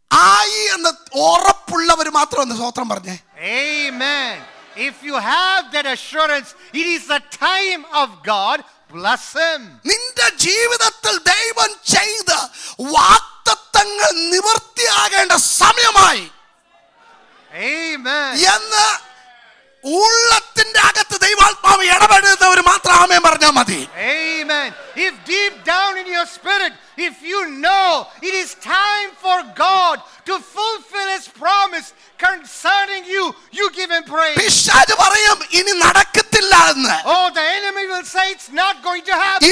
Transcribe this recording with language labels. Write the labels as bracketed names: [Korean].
[Malayalam] ആയി എന്ന് ഉറപ്പുള്ളവര് മാത്രം സ്തോത്രം പറഞ്ഞേ. [English] Amen. If you have that assurance, it is the time of God, bless him. [Malayalam] നിന്റെ ജീവിതത്തിൽ ദൈവം ചെയ്ത വാഗ്ദത്തങ്ങൾ നിവർത്തിയാകേണ്ട സമയമായി. [English] Amen. [Malayalam] എന്ന് ഉള്ളത്തിന്റെ അകത്ത് ദൈവാത്മാവ് ഇടപെടുന്നവർ മാത്രം ആമേൻ പറഞ്ഞാൽ മതി. [English] Amen. If deep down in your spirit, if you know it is time for God to fulfill his promise concerning you, you give him praise. [Malayalam] പിശാച് പറയും ഇനി നടക്കത്തില്ല എന്ന്. [English] Oh, the enemy will say it's not going to happen.